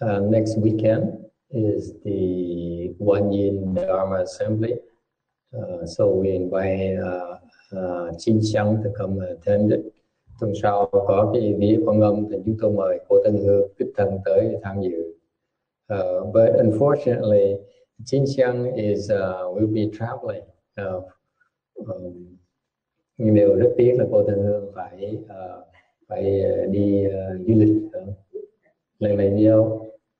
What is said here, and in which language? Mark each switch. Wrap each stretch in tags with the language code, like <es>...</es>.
<en>Next weekend is the One Yin Dharma Assembly. So we invite Chin Xiang to come and attend it.</en> <vi>Tuần sau có cái Vía Quang Âm, thì chúng tôi mời cô Tân Hương, Bích Thân tới tham dự.</vi> <en>But unfortunately, Chin Xiang is will be traveling.</en> <vi>Nhưng đều rất tiếc là cô Tân Hương phải phải đi du lịch lần này đi đâu?</vi>